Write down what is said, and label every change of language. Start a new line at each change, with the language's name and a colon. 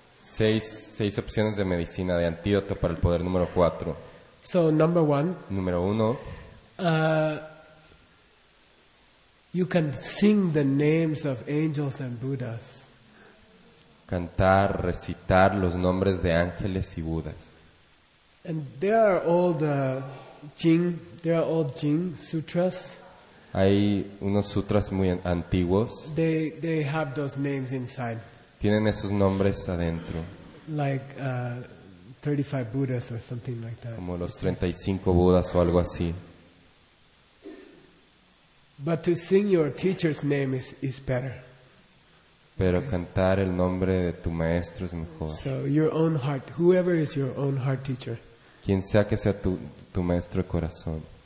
Spanish: Seis opciones de medicina, de antídoto para el poder número 4.
English: So number 1.
Spanish: Número 1.
English: You can sing the names of angels and Buddhas.
Spanish: Cantar, recitar los nombres de ángeles y Budas.
English: And there are all the Jing, there are all Jing sutras.
Spanish: Hay unos sutras muy antiguos.
English: They have those names inside.
Spanish: Tienen esos nombres adentro.
English: Like 35 Buddhas or something like that.
Spanish: Como los 35 Budas o algo así.
English: But to sing your teacher's name is better.
Spanish: Pero cantar el nombre de tu maestro es mejor.
English: So your own heart, whoever is your own heart teacher.
Spanish: Quien sea que sea tu maestro de corazón.